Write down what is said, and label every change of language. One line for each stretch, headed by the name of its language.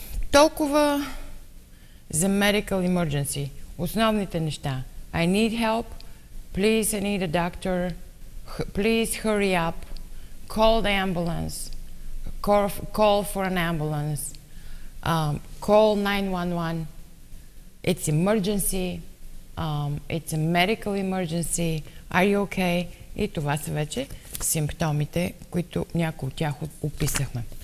Bulgarian: Толкова за
English: medical emergency,
Bulgarian: основните неща.
English: I need help, please I need a doctor, please hurry up, call the ambulance, call for an ambulance, call 911, it's emergency, it's a medical emergency, are you okay?
Bulgarian: И това са вече симптомите, които някои от тях описахме.